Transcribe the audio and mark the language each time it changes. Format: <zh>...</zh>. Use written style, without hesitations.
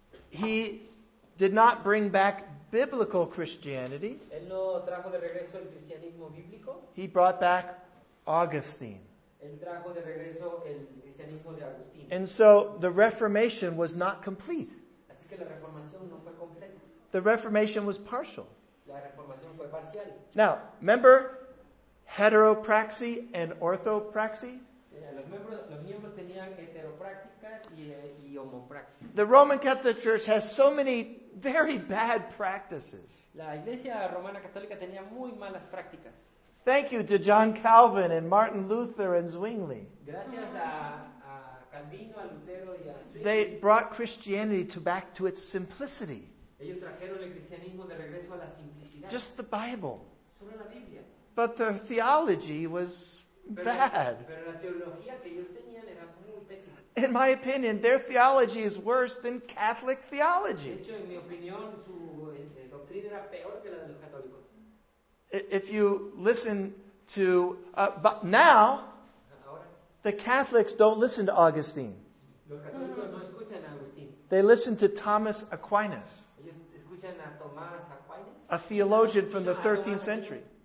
<en>He did not bring back biblical Christianity.</en> <es>Él no trajo de regreso el cristianismo bíblico.</es> <en>He brought back Augustine.</en> <es>Él trajo de regreso el cristianismo de Agustín.</es> <en>And so the Reformation was not complete.</en> <es>Así que la Reformación no fue completa.</es> <en>The Reformation was partial.</en> <es>La Reformación fue parcial.</es> <en>Now, remember heteropraxy and orthopraxy?</en> <es>Los miembros tenían heteroprácticas y homoprácticas.</es> <en>The Roman Catholic Church has so many very bad practices.</en> <es>La Iglesia Romana Católica tenía muy malas prácticas.</es> <en>Thank you to John Calvin and Martin Luther and Zwingli.</en> <es>Gracias a Calvino, a Lutero y a Zwingli.</es> <en>They brought Christianity back to its simplicity.</en> <es>Ellos trajeron el cristianismo de regreso a la simplicidad.</es> <en>Just the Bible.</en> <es>Solo la Biblia.</es> <en>But the theology was bad.</en> <es>Pero la teología que ellos tenían era muy pésima.</es> <en>In my opinion, their theology is worse than Catholic theology.</en> <es>De hecho, en mi opinión, su doctrina era peor que la de los católicos.</es> <en>If you listen to, but now, the Catholics don't listen to Augustine.</en> <es>Los católicos no escuchan a Agustín.</es> <en>They listen to Thomas Aquinas.</en> <es>Ellos escuchan a Tomás Aquinas.</es> <en>A theologian from the 13th century.</en>